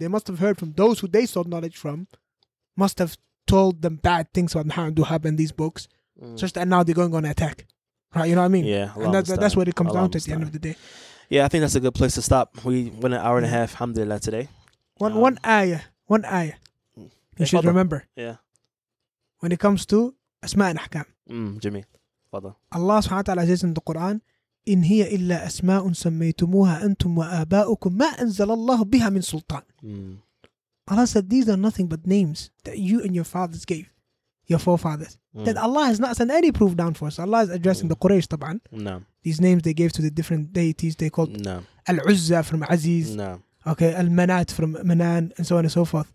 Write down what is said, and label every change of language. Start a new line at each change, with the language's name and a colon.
English: They must have heard from those who they sought knowledge from, must have told them bad things about Muhammad Duhab and these books, such that now they're going on an attack. Right, you know what I mean? Yeah, and that's what it comes down to at the end of the day. Yeah, I think that's a good place to stop. We went an hour and a half, alhamdulillah, today. One ayah. You should remember. Yeah. When it comes to
Arabic: أسماء الأحكام. جميل. فضل. الله سبحانه وتعالى عزيز في القرآن إن هي إلا أسماء سميتموها أنتم وآباؤكم ما أنزل الله بها من سلطان.
English: Allah said these are nothing but names that you and your fathers gave, your forefathers. That Allah has not sent any proof down for us. Allah is addressing the Quraysh, طبعا.
Arabic: نعم.
English: These names they gave to the different deities they called.
Arabic: نعم. العزة from عزيز. نعم.
English: Okay, Al-Manat from Manan, and so on and so forth.